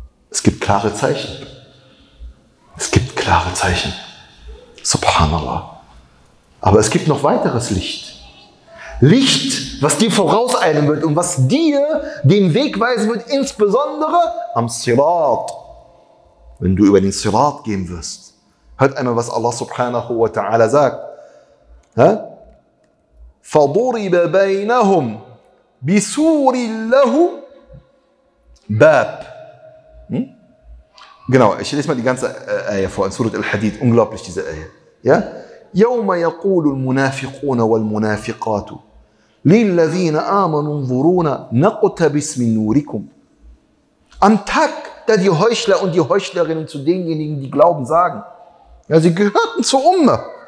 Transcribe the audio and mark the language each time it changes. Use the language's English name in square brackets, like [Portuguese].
[German] Es gibt klare Zeichen. Es gibt klare Zeichen. Subhanallah. Aber es gibt noch weiteres Licht. Licht, was dir vorauseilen wird und was dir den Weg weisen wird, insbesondere am Sirat. Wenn du über den Sirat gehen wirst. Hört einmal, was Allah subhanahu wa ta'ala sagt. [Arabic] فَضُرِبَ بَيْنَهُمْ بِسُورِ اللَّهُ Bab. [German] Genau, ich lese mal die ganze Ayah vor, in Surat al-Hadid. Unglaublich, diese Ayah. [Arabic] Ja? يَوْمَ يَقُولُ الْمُنَافِقُونَ وَالْمُنَافِقَاتُ لِلَّذِينَ آمَنُوا انظُرُونَ نَقْتَبِسْ مِنْ نُورِكُمْ. [German] Am Tag, da die Heuchler und die Heuchlerinnen zu denjenigen, die glauben, sagen, ja, sie gehörten zur Umma.